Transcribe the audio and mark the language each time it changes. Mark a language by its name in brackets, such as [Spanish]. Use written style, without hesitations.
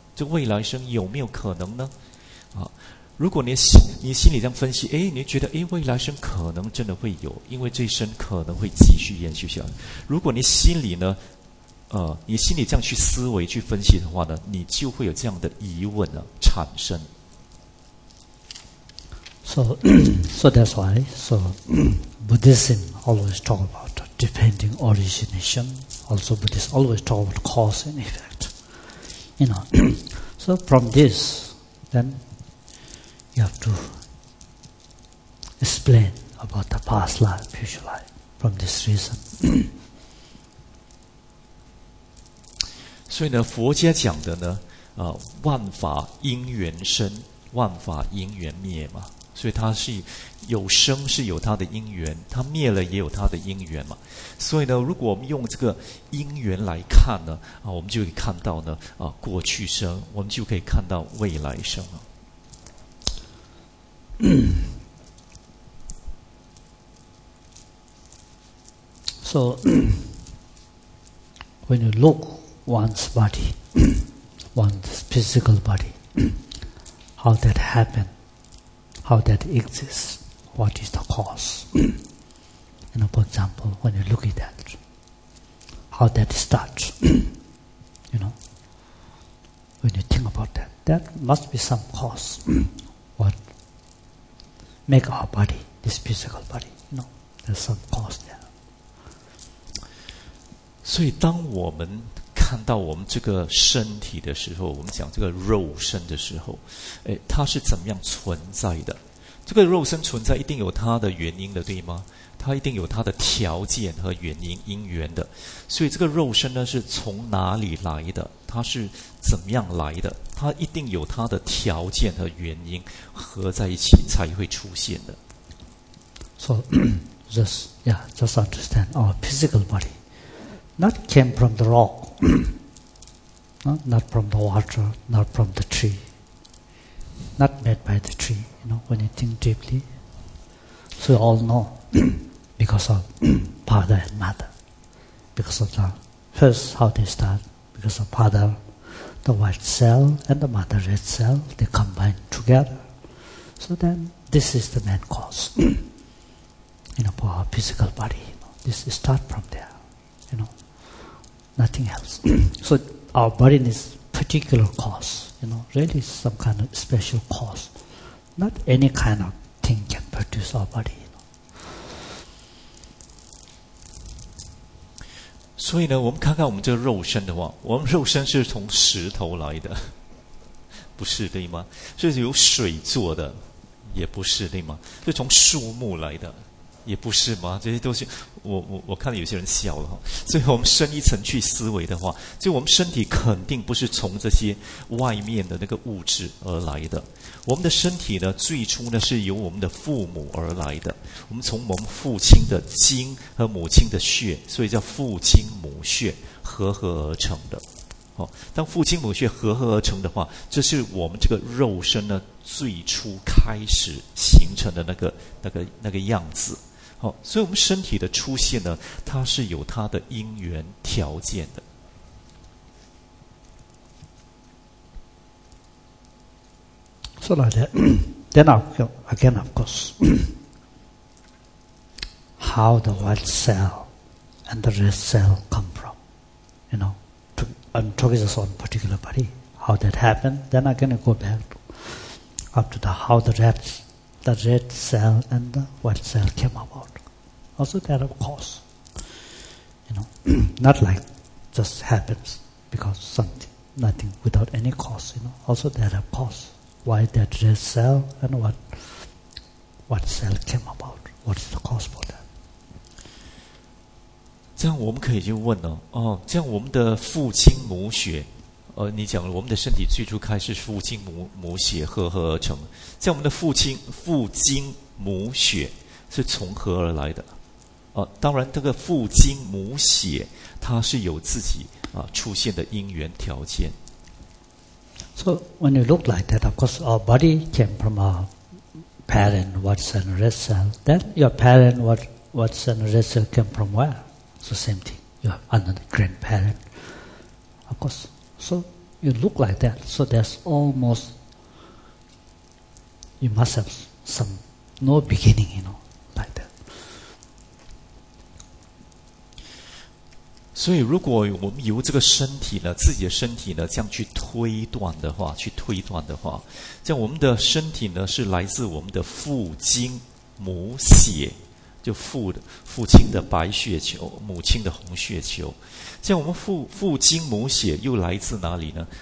[Chinese] 这个未来生有没有可能呢？啊，如果你心里这样分析，哎，你觉得哎，未来生可能真的会有，因为这一生可能会继续延续下来。如果你心里呢，你心里这样去思维去分析的话呢，你就会有这样的疑问呢、啊、产生。 [English] So that's why, so Buddhism always talk about depending origination. Also, Buddhists always talk about cause and effect. You know, so from this, then. You have to explain about the past life, future life, from this reason. [Chinese] 所以呢，佛家讲的呢，万法因缘生，万法因缘灭嘛。所以它是有生是有它的因缘，它灭了也有它的因缘嘛。所以呢，如果我们用这个因缘来看呢，我们就可以看到呢，过去生，我们就可以看到未来生啊。 [English] So, when you look one's body, one's physical body, how that happened, how that exists, what is the cause? You know, for example, when you look at that, how that starts, you know, when you think about that, that must be some cause. What? Make our body, this physical body, you know, there's some cause there. [Chinese] 所以当我们看到我们这个身体的时候，我们讲这个肉身的时候，哎，它是怎么样存在的？这个肉身存在一定有它的原因的，对吗？它一定有它的条件和原因因缘的。所以这个肉身呢是从哪里来的？它是怎么样来的？它一定有它的条件和原因合在一起才会出现的。 [English] So just yeah, just understand our physical body, not came from the rock, not from the water, not from the tree, not made by the tree. You know, when you think deeply, so we all know because of father and mother, because of the first how they start, because of father, the white cell and the mother red cell, they combine together. So then, this is the main cause. You know, for our physical body, you know, this start from there, you know, nothing else. So our body is particular cause, you know, really some kind of special cause. Not any kind of thing can produce our body, you know. [Chinese] 所以呢，我们看看我们这个肉身的话，我们肉身是从石头来的，不是对吗？是由水做的，也不是对吗？是从树木来的。也不是吗？这些都是我看到有些人笑了，所以我们深一层去思维的话，所以我们身体肯定不是从这些外面的那个物质而来的。我们的身体呢，最初呢是由我们的父母而来的，我们从我们父亲的精和母亲的血，所以叫父亲母血合合而成的。好，当父亲母血合合而成的话，这是我们这个肉身呢最初开始形成的那个样子。好，所以我们身体的出现呢，它是有它的因缘条件的。 [English] So like that, then again, of course, how the white cell and the red cell come from, you know. And talking about one particular body, how that happened, then I can go back up to how the red cell and the white cell came about. Also that of course, you know, not like just happens because something, nothing without any cause, you know, also that of course, why that red cell and what cell came about, what is the cause for that? [Chinese] 这样我们可以就问了，哦，这样我们的父亲母血，你讲了我们的身体最初开始父亲母血合合而成，这样我们的父精母血是从何而来的？当然这个父精母血它是有自己出现的因缘条件。 [English] So when you look like that, of course our body came from our parent, what's in the red cell. Then your parent, what's in the red cell came from where? So same thing, you are another grandparent, of course. So you look like that, so there's almost, you must have some, no beginning, you know, like that. [Chinese] 所以如果我们由这个身体呢，自己的身体呢，这样去推断的话，这样我们的身体呢，是来自我们的父精母血。就父亲的白血球，母亲的红血球，这样我们父精母血又来自哪里呢？